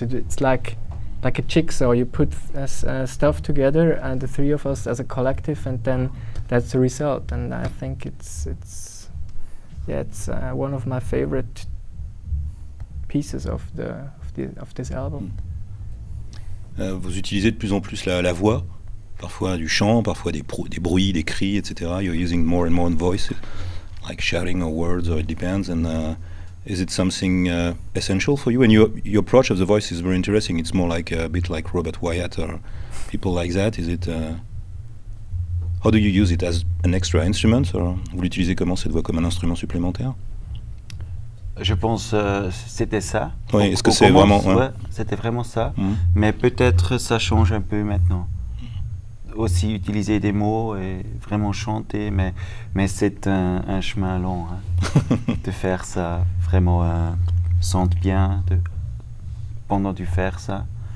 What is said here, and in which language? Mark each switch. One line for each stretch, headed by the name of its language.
English: It's like a jigsaw, you put stuff together, and the three of us as a collective, and then that's the result. And I think it's one of my favorite pieces of this album.
French: Vous utilisez de plus en plus la voix, parfois du chant, parfois des bruits, des cris, etc.
English: You're using more and more voices, like shouting or words, or it depends. And is it something essential for you? And your approach of the voice is very interesting. It's more like a bit like Robert Wyatt or people like that. Is it? How do you use it as an extra instrument?
French: Or vous l'utilisez comment cette voix, comme un instrument supplémentaire? Je pense c'était ça. Oui, est-ce que c'est vraiment? Ouais. Ouais, c'était vraiment ça. Mm-hmm. Mais peut-être ça change un peu maintenant. Aussi utiliser des mots et vraiment chanter, mais c'est un chemin long, hein, de faire ça vraiment sente bien de, pendant du faire ça.